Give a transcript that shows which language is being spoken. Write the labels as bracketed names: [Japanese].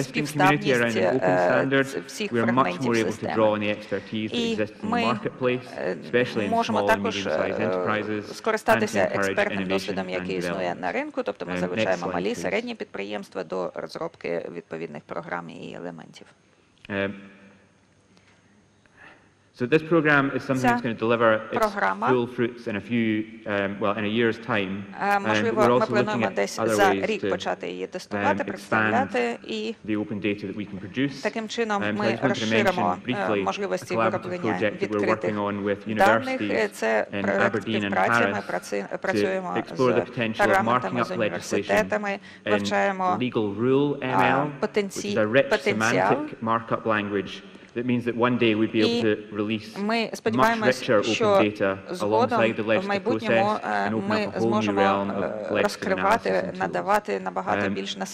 [English] community around an open standard, we are much more able to draw on the expertise that exists in the marketplace, especially in small and medium-sized enterprises, and to encourage innovation and development. [Ukrainian] Тобто ми залучаємо малі, середні підприємства до розробки відповідних програм і елементів. [English] So this program is something that's going to deliver its full fruits in a few, well, in a year's time. [Ukrainian] Можливо, ми плануємо десь за рік почати її тестувати, представляти, і [English] the open data that we can produce. [Ukrainian] Таким чином ми розширимо можливості вироблення відкритих даних. Це проект співпраці, ми працюємо з парламентами, з університетами, вивчаємо [English] legal rule ML, which is a rich semantic markup language. That means that one day we'd be able to release much richer open data alongside the legislative process and open up a whole new realm of legislative analysis and tools.